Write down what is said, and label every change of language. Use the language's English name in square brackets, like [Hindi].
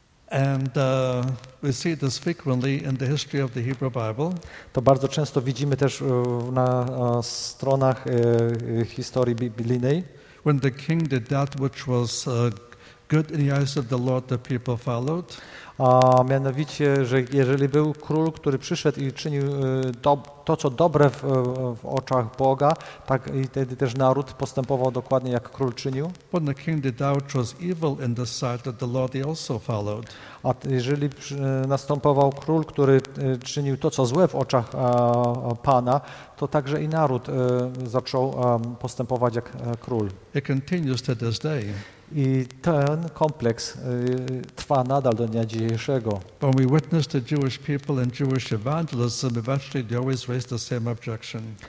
[English] And we see this frequently in the history of the Hebrew Bible. [Polish] To bardzo często widzimy też na stronach historii biblijnej. [English] When the king did that which was good in the eyes of the Lord, the people followed. [Polish] A mianowicie, że jeżeli był król, który przyszedł i czynił to, co dobre w oczach Boga, tak i wtedy też naród postępował dokładnie, jak król czynił. [English] When the king did that was evil in the sight of the Lord, he also followed. [Polish] A jeżeli następował król, który czynił to, co złe w oczach Pana, to także i naród zaczął postępować jak król. [English] It continues to this day. [Polish] I ten kompleks trwa nadal do dnia dzisiejszego. [English] When we witness the Jewish people and Jewish evangelism, eventually they always raise the same objection.